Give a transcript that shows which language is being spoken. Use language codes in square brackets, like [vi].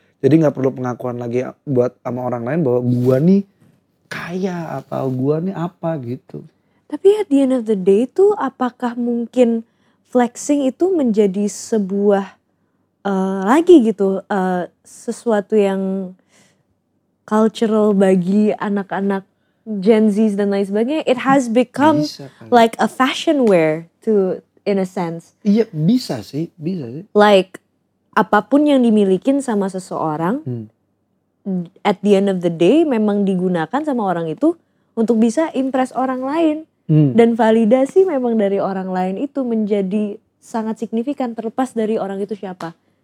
[id] Jadi gak perlu pengakuan lagi buat sama orang lain bahwa gua nih kaya atau gua nih apa gitu. Tapi [en] at the end of the day [id] tuh apakah mungkin flexing itu menjadi sebuah lagi gitu. Sesuatu yang cultural bagi anak-anak Gen Z dan lain sebagainya. [en] It has become like a fashion wear. To in a sense. [id] Iya bisa sih. Like apapun yang dimilikin sama seseorang [en] at the end of the day [id] memang digunakan sama orang itu untuk bisa impress orang lain dan validasi memang dari orang lain itu menjadi sangat signifikan terlepas dari orang itu siapa.